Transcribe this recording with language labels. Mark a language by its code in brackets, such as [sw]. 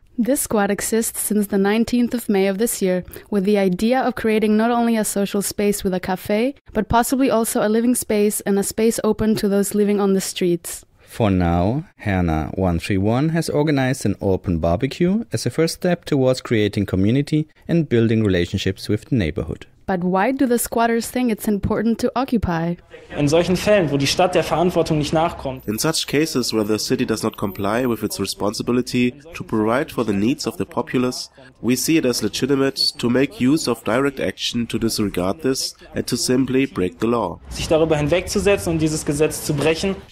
[en] This squad exists since the 19th of May of this year with the idea of creating not only a social space with a cafe, but possibly also a living space and a space open to those living on the streets. For now, Herner 131 has organized an open barbecue as a first step towards creating community and building relationships with the neighborhood. But why do the squatters think it's important to occupy? [de] In solchen Fällen, wo die Stadt der Verantwortung nicht nachkommt. [en] In such cases where the city does not comply with its responsibility to provide for the needs of the populace, we see it as legitimate to make use of direct action to disregard this and to simply break the law. [de] Sich darüber hinwegzusetzen und dieses Gesetz zu brechen.